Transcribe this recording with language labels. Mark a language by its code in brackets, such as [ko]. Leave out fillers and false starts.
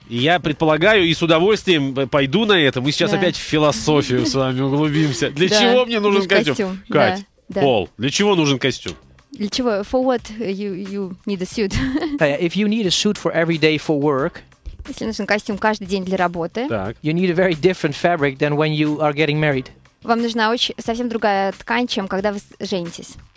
[ru] Я предполагаю и с удовольствием пойду на это. Мы сейчас опять в философию с вами углубимся. Для чего мне нужен костюм? Кать, Пол, для чего нужен костюм? Для чего? [en] For what you need a suit? If you need a suit for every day for work. [ru] Если нужен костюм каждый день для работы. Так. [en] You need a very different fabric than when you are getting married. [ru] Вам нужна очень совсем другая ткань, чем когда вы женитесь.